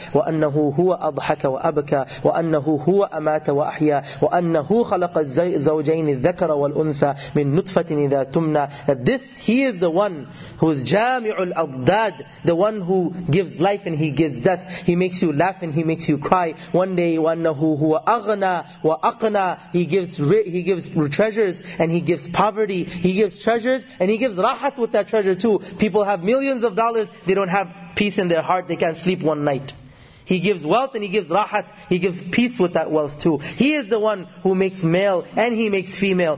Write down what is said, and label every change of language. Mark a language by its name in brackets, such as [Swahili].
[Arabic] وَأَنَّهُ هُوَ أَضْحَكَ وَأَبْكَى وَأَنَّهُ هُوَ أَمَاتَ وَأَحْيَى وَأَنَّهُ خَلَقَ الزَّوْجَيْنِ الذَّكَرَ وَالْأُنْثَى مِنْ نُطْفَةٍ إِذَا تُمْنَى. [English] That this, he is the one who is [Arabic] جَامِعُ الْأَضْدَادِ, [English] the one who gives life and he gives death. He makes you laugh and he makes you cry. One day, [Arabic] وَأَنَّهُ هُوَ أَغْنَى وَأَقْنَى. [English] He gives treasures and he gives poverty, he gives treasures, and he gives rahat with that treasure too. People have millions of dollars, they don't have peace in their heart, they can't sleep one night. He gives wealth and he gives rahat, he gives peace with that wealth too. He is the one who makes male and he makes female.